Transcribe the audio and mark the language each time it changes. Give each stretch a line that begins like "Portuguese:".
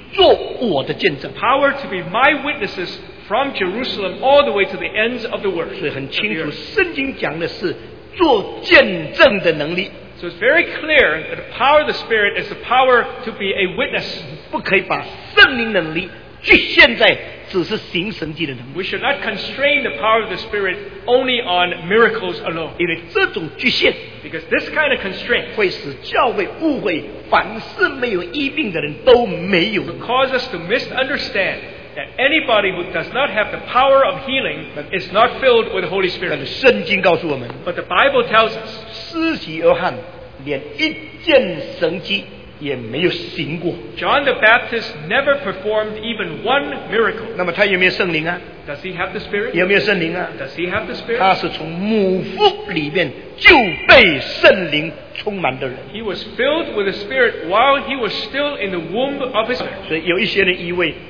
English: power to be my witnesses from Jerusalem all the way to the ends of the world.
Chinese: 所以很清楚圣经讲的是做见证的能力。
English: So it's very clear that the power of the Spirit is the power to be a witness.
Chinese: 不可以把圣灵能力局限在
English: We should not constrain the power of the Spirit only on miracles alone. Because this kind of constraint would cause us to misunderstand that anybody who does not have the power of healing is not filled with the Holy Spirit. But the Bible tells us, John the Baptist never performed even one miracle.
Chinese: 那么他有没有圣灵啊?
English: Does he have the Spirit?
Chinese: 有没有圣灵啊?
English: Does he have the Spirit?
Chinese: 他是从母腹里面就被圣灵充满的人。
English: He was filled with the Spirit while he was still in the womb of his mother.